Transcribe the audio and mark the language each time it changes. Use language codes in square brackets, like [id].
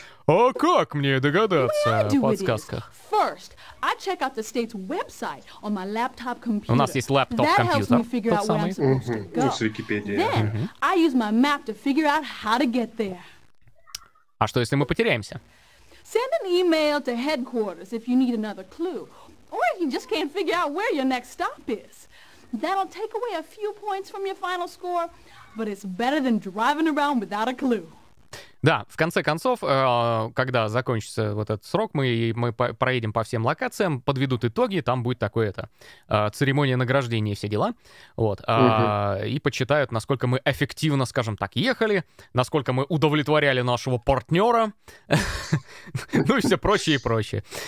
[ru] А как мне догадаться в подсказках? У нас есть лаптоп-компьютер. Тот самый? С Википедии. А что, если мы потеряемся? [en] Send an email to headquarters if you need another clue. Or if you just can't figure out where your next stop is. That'll take away a few points from your final score, but it's better than driving around without a clue. [ru] Да, в конце концов, когда закончится вот этот срок, мы проедем по всем локациям, подведут итоги, там будет такое-то церемония награждения, все дела. Вот, и почитают, насколько мы эффективно, скажем так, ехали, насколько мы удовлетворяли нашего партнера, ну и все прочее и прочее.